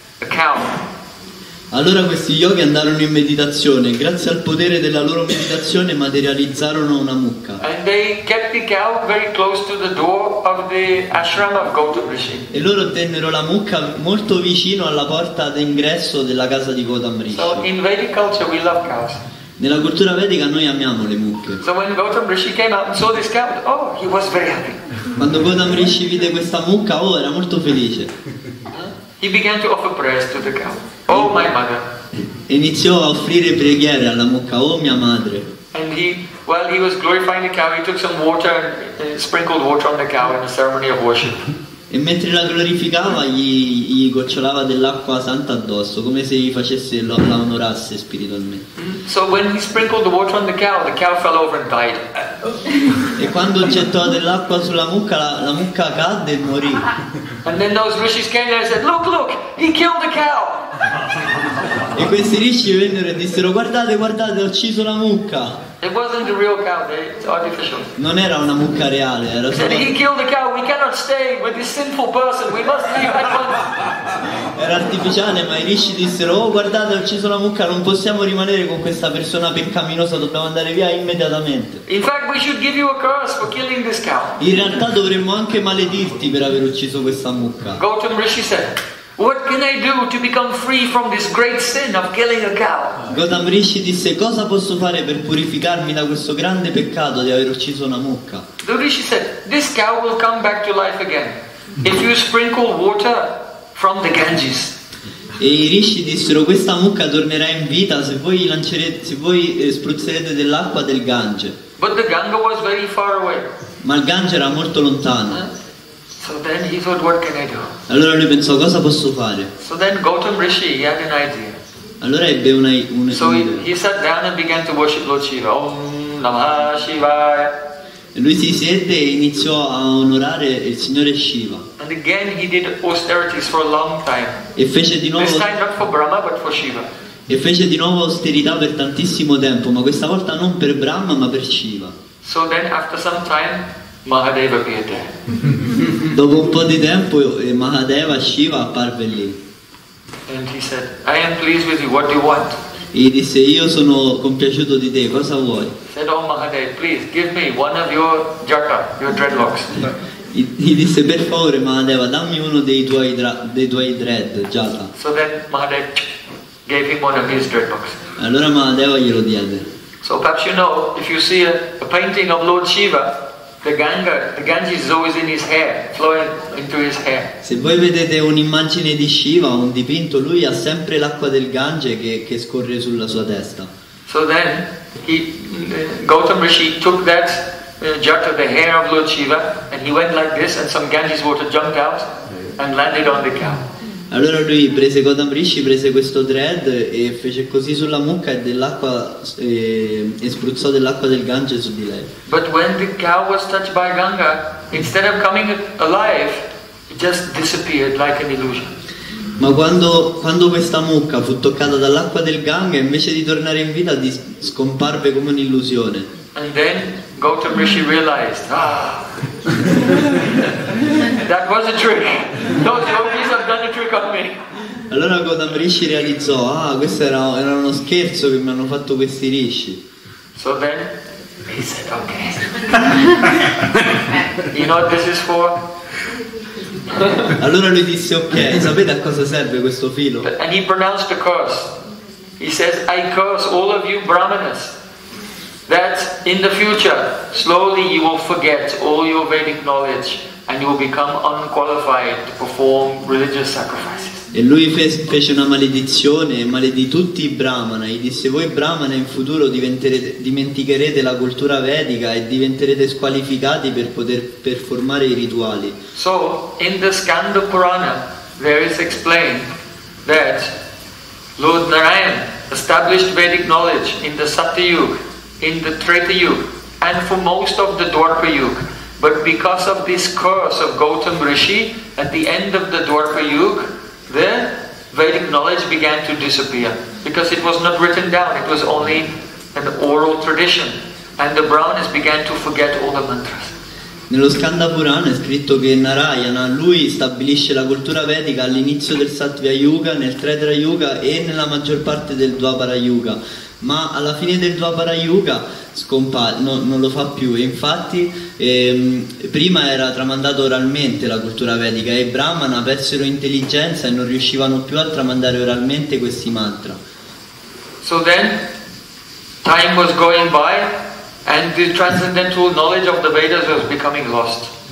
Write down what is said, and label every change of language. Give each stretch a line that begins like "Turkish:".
English: A cow.
Italian: Allora questi yogi andarono in meditazione, grazie al potere della loro meditazione materializzarono una mucca.
English: And they kept the cow very close to the door of the ashram of Gautama Rishi.
Italian: E loro tennero la mucca molto vicino alla porta d'ingresso della casa di Gautama Rishi.
English: So in Vedic culture we love cows.
Italian: Nella cultura vedica noi amiamo le mucche.
English: So when Gautama Rishi came out and saw this cow, oh, he was very happy.
Italian: Quando Gautama Rishi vide questa mucca, oh, era molto felice.
English: He began to offer prayers to the cow. Oh my mother.
Italian: Iniziò a offrire preghiere alla mucca, oh mia madre.
English: And he, while he was glorifying the cow, he took some water and sprinkled water on the cow in a ceremony of worship.
Italian: E mentre la glorificava gli gocciolava dell'acqua santa addosso, come se gli facesse la onorasse spiritualmente.
English: So when he sprinkled the water on the cow fell over and died.
Italian: E quando gettò dell'acqua sulla mucca, la mucca cadde e morì.
English: And then those rishis came there and said, look, he killed the cow.
Italian: E questi rishi vennero e dissero, guardate, ho ucciso la mucca.
English: It wasn't a real cow, it's artificial.
Italian: Non era una mucca reale, era solo.
English: He killed the cow, we cannot stay with this sinful person, we must leave at once.
Italian: Era artificiale, ma i rishi dissero, oh guardate, ho ucciso la mucca, non possiamo rimanere con questa persona peccaminosa, dobbiamo andare via immediatamente.
English: In fact, we should give you a curse for killing this cow.
Italian: In realtà dovremmo anche maledirti per aver ucciso questa mucca.
English: Gautama Rishi said, what can I do to become free from this great sin of killing a cow?
Italian: Gautama Rishi disse, cosa posso fare per purificarmi da questo grande peccato di aver ucciso una mucca?
English: The Rishi said, this cow will come back to life again if you sprinkle water from the Ganges.
Italian: E i rishi dissero, questa mucca tornerà in vita se voi lancerete, se voi spruzzerete dell'acqua del Gange.
English: But the Ganga was very far away.
Italian: Ma il Gange era molto lontano.
English: So then he thought, what can I do?
Italian: Allora lui pensò, cosa posso fare?
English: So then Gautama Rishi, he had an idea.
Italian: Allora ebbe un'idea.
English: So he sat down and began to worship Lord Shiva.
Sanskrit: Om Namah Shivaya.
Italian: E lui si siede e iniziò a onorare il Signore Shiva.
English: And again he did austerities for a long time.
Italian: E fece di nuovo.
English: This time not for Brahma, but for Shiva.
Italian: E fece di nuovo austerità per tantissimo tempo, ma questa volta non per Brahma, ma per Shiva.
English: So then after some time, Mahadeva appeared there.
Italian: Dopo un po' di tempo Mahadeva Shiva apparve lì.
English: And he said, I am pleased with you, what do you want?
Italian: E disse, io sono compiaciuto di te, cosa vuoi?
English: Said, oh Mahadeva, please give me one of your jata, your dreadlocks.
Italian: Gli disse, per favore Mahadeva, dammi uno dei tuoi dread, jata.
English: So then Mahadeva gave him one of his dreadlocks.
Italian: Allora Mahadeva glielo diede.
English: So perhaps you know, if you see a painting of Lord Shiva, the Ganges is always in his hair, flowing into his hair.
Italian: Se voi vedete un'immagine di Shiva, un dipinto, lui ha sempre l'acqua del Gange che scorre sulla sua testa.
English: So then Gautama Rishi took that jata, the hair of Lord Shiva, and he went like this, and some Ganges water jumped out and landed on the cow.
Italian: Allora lui prese Gautama Rishi, prese questo dread e fece così sulla mucca e spruzzò dell'acqua del Gange su di lei.
English: But when the cow was touched by Ganga, instead of coming alive, it just disappeared like an illusion.
Italian: Ma quando questa mucca fu toccata dall'acqua del Ganga, invece di tornare in vita, scomparve come un'illusione.
English: And then Gautama Rishi realized, that was a trick. Those yogis have done a trick on me.
Italian: Allora Gautama Rishi realizzò, questo era uno scherzo che mi hanno fatto questi rishi.
English: So then he said, okay. You know what this is for?
Italian: Allora lui disse, ok, sapete a cosa serve questo filo?
English: And he pronounced a curse. He says, I curse all of you brahmanas, that in the future, slowly you will forget all your Vedic knowledge and you will become unqualified to perform religious sacrifices.
Italian: E lui fece una maledizione e maledì tutti i brahmana. E disse, voi brahmana in futuro dimenticherete la cultura vedica e diventerete squalificati per poter performare i rituali.
English: So, in the Skanda Purana, there is explained that Lord Narayan established Vedic knowledge in the Satyayuga, in the Treta Yuga, and for most of the Dwarpa Yuga. But because of this curse of Gautama Rishi, at the end of the Dwarpa Yuga, the Vedic knowledge began to disappear. Because it was not written down, it was only an oral tradition. And the Brahmanas began to forget all the mantras.
Italian: Nello Skanda Purana è scritto che Narayana, lui stabilisce la cultura vedica all'inizio del Satya Yuga, nel Treta Yuga e nella maggior parte del Dwapara Yuga. Ma alla fine del Dwapara Yuga scompare, non lo fa più. E infatti prima era tramandato oralmente la cultura vedica e i brahmana persero intelligenza e non riuscivano più a tramandare oralmente questi mantra.
English: So then time was going by and the transcendental knowledge of the Vedas was becoming lost.